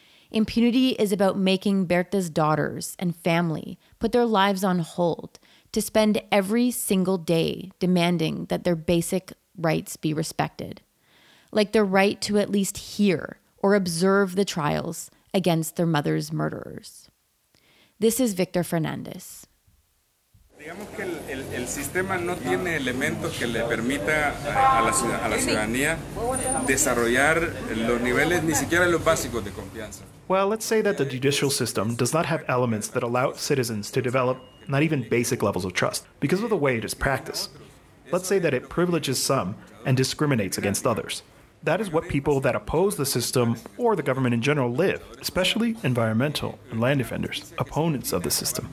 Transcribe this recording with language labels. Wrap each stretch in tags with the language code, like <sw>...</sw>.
<en>Impunity is about making Berta's daughters and family put their lives on hold to spend every single day demanding that their basic rights be respected, like their right to at least hear or observe the trials against their mother's murderers. This is Victor Fernandez.</en> <es>Digamos que el sistema no tiene elementos que le permita a la ciudadanía desarrollar los niveles ni siquiera los básicos de confianza.</es> <en>Well, let's say that the judicial system does not have elements that allow citizens to develop not even basic levels of trust because of the way it is practiced. Let's say that it privileges some and discriminates against others. That is what people that oppose the system or the government in general live, especially environmental and land defenders, opponents of the system.</en>